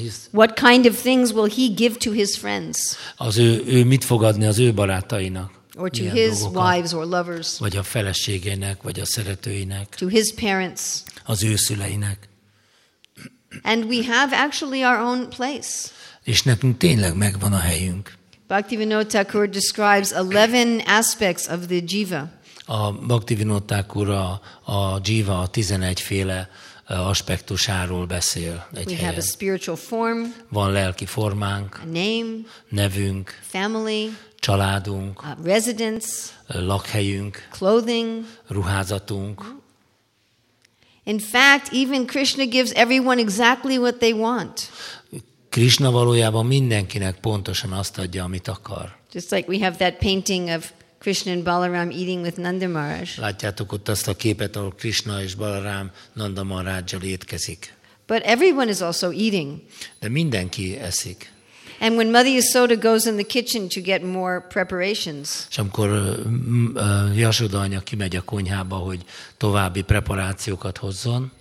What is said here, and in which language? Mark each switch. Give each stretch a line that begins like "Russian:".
English: What kind of things will he give to his friends?
Hungarian: Az ő mit fog adni az ő barátainak?
English: Or to his wives or lovers?
Hungarian: Vagy a feleségének, vagy a szeretőinek?
English: To his parents?
Hungarian: Az ő szüleinek.
English: And we have actually our own place.
Hungarian: És nekünk tényleg megvan a helyünk.
English: Bhaktivinoda Thakur describes 11 aspects of the jiva.
Hungarian: A Bhaktivinoda Thakur a jiva a 11 féle aspektusáról beszél egy helyen.
English: We have a spiritual form,
Hungarian: van lelki formánk,
English: a name,
Hungarian: nevünk,
English: family,
Hungarian: családunk,
English: residence,
Hungarian: lakhelyünk,
English: clothing,
Hungarian: ruházatunk.
English: In fact, even Krishna gives everyone exactly what they want.
Hungarian: Krishna valójában mindenkinek pontosan azt adja, amit akar.
English: Just like we have that painting of Krishna and Balaram eating with Nanda Maharaj.
Hungarian: Látjátok ott azt a képet, ahol Krishna és Balaram Nanda Maharajjal étkezik.
English: But everyone is also eating.
Hungarian: De mindenki eszik.
English: And when Mother Yasoda goes in the kitchen to get more preparations.
Hungarian: És amikor Yasoda anya kimegy a konyhába, hogy további preparációkat hozzon.